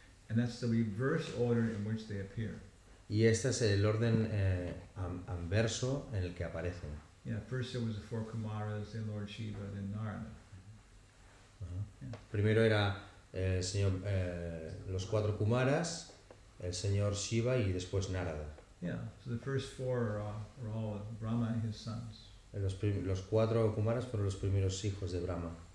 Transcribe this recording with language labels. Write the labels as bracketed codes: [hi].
[en] And that's the reverse order in which they appear. [es] Y este es el orden anverso en el que aparecen. [en] Yeah, first it was the four Kumaras, then Lord Shiva, then Narada. [es] Primero era el señor los cuatro Kumaras, el señor Shiva y después Narada. [en] Yeah, so the first four are all Brahma and his sons. [es] Los cuatro Kumaras fueron los primeros hijos de Brahma.